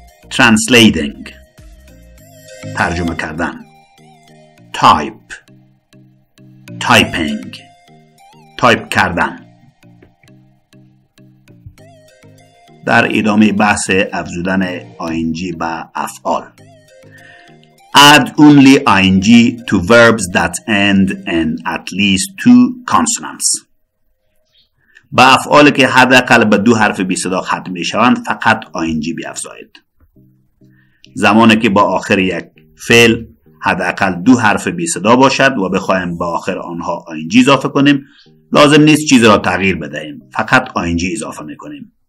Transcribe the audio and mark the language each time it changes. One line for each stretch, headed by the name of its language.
Persian: Translating. ترجمه کردن.
English: Type. Typing.
Persian: تایپ کردن. در ادامه بحث افزودن ing به افعال.
English: Add only ing to verbs that end in at least two consonants.
Persian: به افعالی که حداقل به دو حرف بی صدا ختم می شوند فقط ing بیافزایید. زمانی که با آخر یک فعل حداقل دو حرف بی صدا باشد و بخواهیم با آخر آنها ing اضافه کنیم، لازم نیست چیز را تغییر بدهیم، فقط ing اضافه می کنیم.